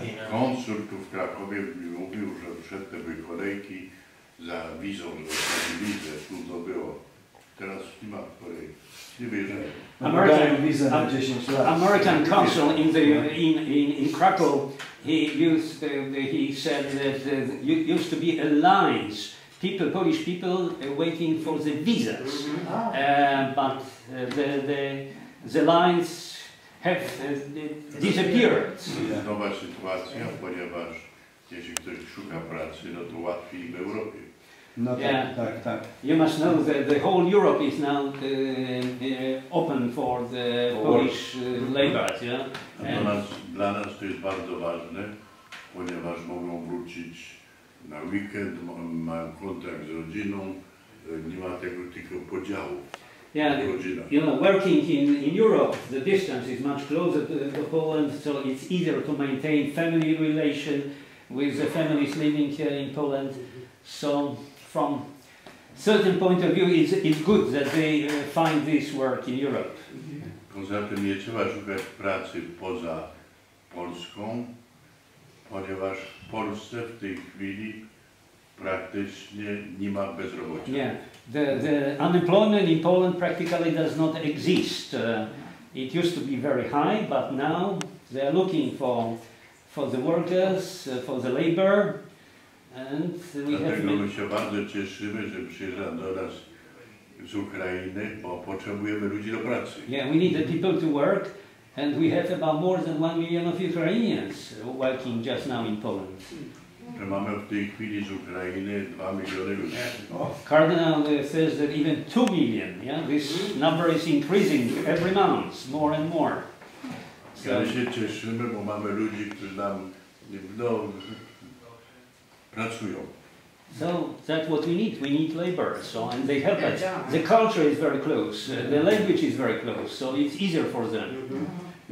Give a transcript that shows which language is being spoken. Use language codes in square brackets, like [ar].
[pl] Konsul tu w Krakowie mówił, że przed te kolejki za wizą, że zrobili, że trudno było. Teraz nie ma kolejki. Nie wierzę. [en] American consul in Krakow, he said that there used to be a lines, people, Polish people waiting for the visas, but the lines have disappeared. [pl] Nowa sytuacja, ponieważ jeśli ktoś szuka pracy, no to łatwiej w Europie. No tak, tak, tak. [en] You must know that the whole Europe is now open for the Polish labor. Yeah? [pl] Dla nas to jest bardzo ważne, ponieważ mogą wrócić na weekend, mają kontakt z rodziną, nie ma tego tylko podziału. [en] Yeah, you know, working in Europe, the distance is much closer to Poland, so it's easier to maintain family relation with the families living here in Poland. So, from certain point of view, it's good that they find this work in Europe. [pl] Poza tym nie trzeba szukać pracy poza Polską, ponieważ w Polsce w tej chwili praktycznie nie ma bezrobocia. [en] Yeah, the unemployment in Poland practically does not exist. It used to be very high, but now they are looking for the workers, for the labor. [pl] Dlatego my się bardzo cieszymy, że przyjeżdża do nas z Ukrainy, bo potrzebujemy ludzi do pracy. [en] Yeah, we need the people to work, and we have about more than 1 million of Ukrainians working just now in Poland. [pl] My mamy w tej chwili z Ukrainy 2 miliony ludzi. [en] Cardinal says that even 2 million, yeah, this number is increasing every month, more and more. [pl] So, my się cieszymy, bo mamy ludzi, którzy nam, no, pracują. [en] So that's what we need. We need labor. So, and they help us. The culture is very close. The language is very close. So it's easier for them. Mm-hmm.